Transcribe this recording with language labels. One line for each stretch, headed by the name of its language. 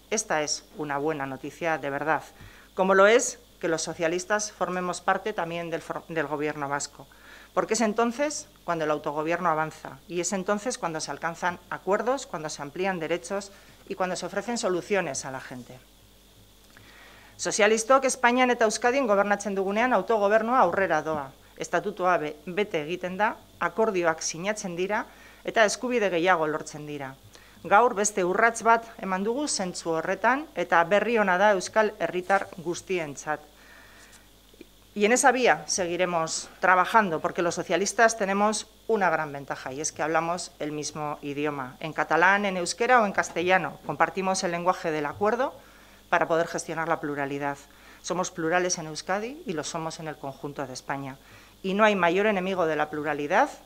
Spanish: Esta es una buena noticia, de verdad, como lo es que los socialistas formemos parte también del gobierno vasco. Porque es entonces cuando el autogobierno avanza y es entonces cuando se alcanzan acuerdos, cuando se amplían derechos y cuando se ofrecen soluciones a la gente.
Basque: Sozialistok Espainian eta Euskadin gobernatzen dugunean autogobernoa aurrera doa. Estatutua bete egiten da, akordioak sinatzen dira eta eskubide gehiago lortzen dira. Gaur beste urrats bat eman dugu zentzu horretan eta berri ona da euskal herritar guztientzat.
Spanish: Y en esa vía seguiremos trabajando, porque los socialistas tenemos una gran ventaja, y es que hablamos el mismo idioma. En catalán, en euskera o en castellano, compartimos el lenguaje del acuerdo para poder gestionar la pluralidad. Somos plurales en Euskadi y lo somos en el conjunto de España. Y no hay mayor enemigo de la pluralidad